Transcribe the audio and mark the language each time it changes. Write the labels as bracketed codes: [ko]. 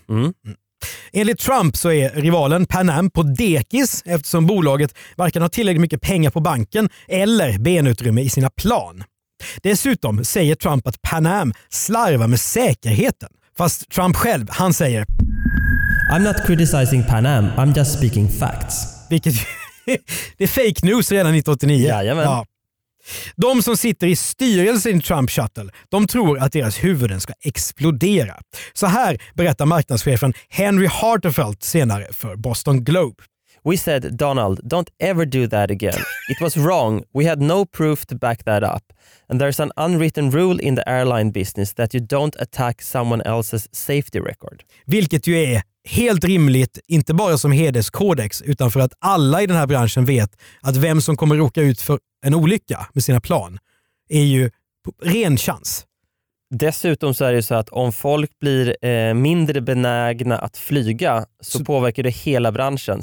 [sv] Mm. Enligt Trump så är rivalen Pan Am på dekis eftersom bolaget varken har tillräckligt mycket pengar på banken eller benutrymme i sina plan. Dessutom säger Trump att Pan Am slarvar med säkerheten. Fast Trump själv, han säger: [en] I'm not criticizing Pan Am, I'm just speaking facts. [sv] Vilket, det är fake news redan 1989. Ja. De som sitter i styrelsen i Trump Shuttle, de tror att deras huvuden ska explodera. Så här berättar marknadschefen Henry Hartefelt senare för Boston Globe: [en] We said, Donald, don't ever do that again. It was wrong. We had no proof to back that up. And there's an unwritten rule in the airline business that you don't attack someone else's safety record. [sv] Vilket ju är helt rimligt, inte bara som hederskodex, utan för att alla i den här branschen vet att vem som kommer råka ut för en olycka med sina plan är ju ren chans. Dessutom så är det ju så att om folk blir mindre benägna att flyga så påverkar det hela branschen.